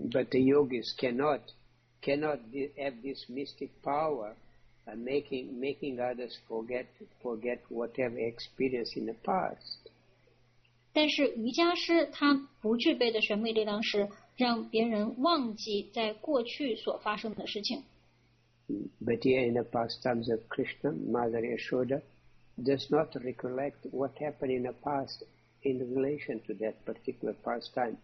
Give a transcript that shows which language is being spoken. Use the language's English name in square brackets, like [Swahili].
[English] the yogis cannot have this mystic power, making others forget whatever experience in the past. [Chinese] 但是瑜伽师他不具备的玄秘力量是让别人忘记在过去所发生的事情。 [English] But here in the pastimes of Krishna, Mother Yashoda does not recollect what happened in the past in relation to that particular pastime.